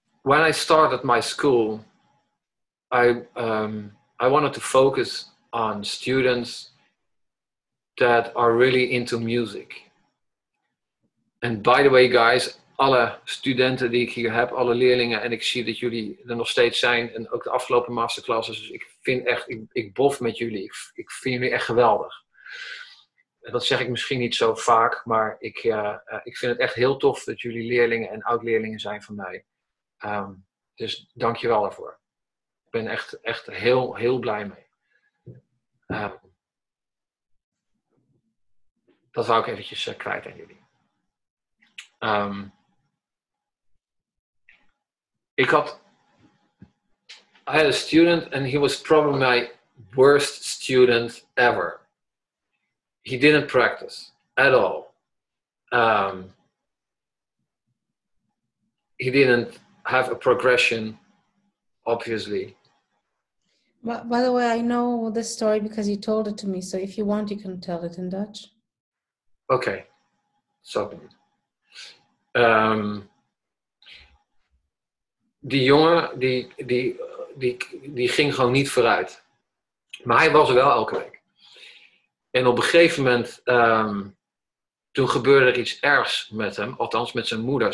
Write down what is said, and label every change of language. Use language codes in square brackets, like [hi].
[en] When I started my school, I wanted to focus on students that are really into music. And by the way, guys, [nl] alle studenten die ik hier heb, alle leerlingen, en ik zie dat jullie er nog steeds zijn, en ook de afgelopen masterclasses, dus ik vind echt, ik bof met jullie. Ik vind jullie echt geweldig. En dat zeg ik misschien niet zo vaak, maar ik vind het echt heel tof dat jullie leerlingen en oud-leerlingen zijn van mij. Dus dank je wel daarvoor. Ik ben echt heel, heel blij mee. Dat wou ik eventjes kwijt aan jullie. [en] I had a student, and he was probably my worst student ever. He didn't practice at all. He didn't have a progression, obviously. By the way, I know this story because you told it to me. So if you want, you can tell it in Dutch. Okay. [nl] So, die jongen, die ging gewoon niet vooruit. Maar hij was er wel elke week. En op een gegeven moment, toen gebeurde er iets ergs met hem. Althans, met zijn moeder.